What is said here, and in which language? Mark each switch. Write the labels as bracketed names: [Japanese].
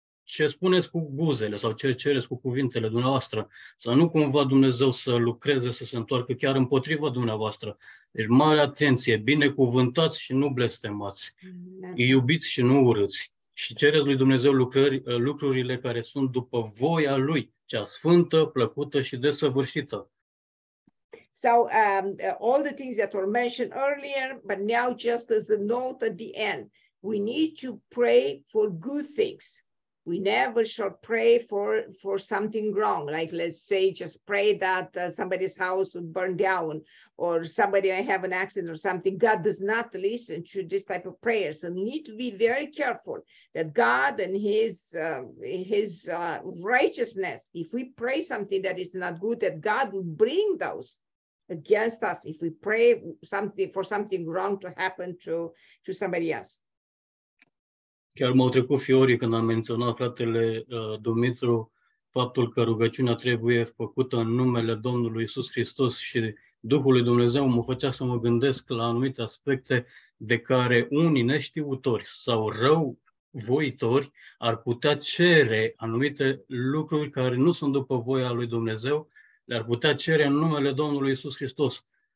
[Romanian] ce spuneți cu buzele sau ce cereți cu cuvintele dumneavoastră, să nu cumva Dumnezeu să lucreze, să se întoarcă chiar împotriva dumneavoastră. Deci mare atenție, binecuvântați și nu blestemați, iubiți și nu urâți. Și cereți lui Dumnezeu lucrurile care sunt după voia Lui, cea sfântă, plăcută și desăvârșită. [English] So, all the things that were mentioned earlier, but now just as a note at the end, we need to pray for good things. We never shall pray for something wrong. Like, let's say, just pray that somebody's house would burn down or somebody may have an accident or something. God does not listen to this type of prayer. So we need to be very careful that God and his righteousness, if we pray something that is not good, that God will bring those against us if we pray something for something wrong to happen to somebody else. [Romanian] Chiar m-au trecut fiorii când am menționat, fratele Dumitru, faptul că rugăciunea trebuie făcută în numele Domnului Iisus Hristos și Duhului Dumnezeu mă făcea să mă gândesc la anumite aspecte de care unii neștiutori sau răuvoitori ar putea cere anumite lucruri care nu sunt după voia lui Dumnezeu, le-ar putea cere în numele Domnului Iisus Hristos.